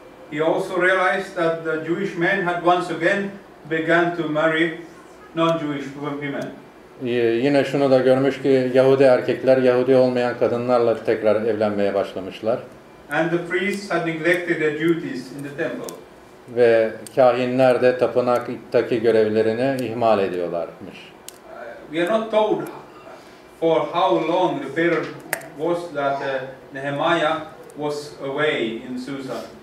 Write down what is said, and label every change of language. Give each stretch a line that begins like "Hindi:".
English: He also realized that the Jewish men had once again began to marry non-Jewish women.
Turkish: Yine şunu da görmüş ki Yahudi erkekler Yahudi olmayan kadınlarla tekrar evlenmeye başlamışlar.
English: And the priests had neglected their duties in the temple.
Turkish: Ve kahinler de tapınaktaki görevlerini ihmal ediyorlarmış.
English: We are not told for how long the period was that Nehemiah was away in Susa.